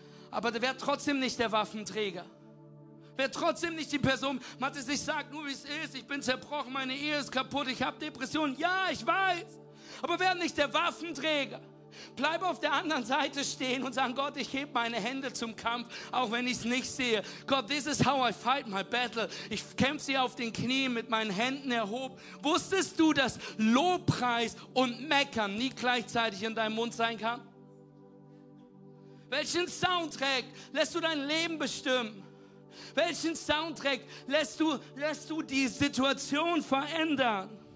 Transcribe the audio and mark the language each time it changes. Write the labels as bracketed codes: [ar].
[de] Aber wer trotzdem nicht der Waffenträger? Wer trotzdem nicht die Person? Mathis, ich sag nur, wie es ist, ich bin zerbrochen, meine Ehe ist kaputt, ich habe Depressionen. Ja, ich weiß. Aber wer nicht der Waffenträger? Bleib auf der anderen Seite stehen und sag, Gott, ich heb meine Hände zum Kampf, auch wenn ich es nicht sehe. [en] Gott, this is how I fight my battle. [de] Ich kämpfe sie auf den Knien mit meinen Händen erhoben. Wusstest du, dass Lobpreis und Meckern nie gleichzeitig in deinem Mund sein kann? Welchen Soundtrack lässt du dein Leben bestimmen? Welchen Soundtrack lässt du die Situation verändern?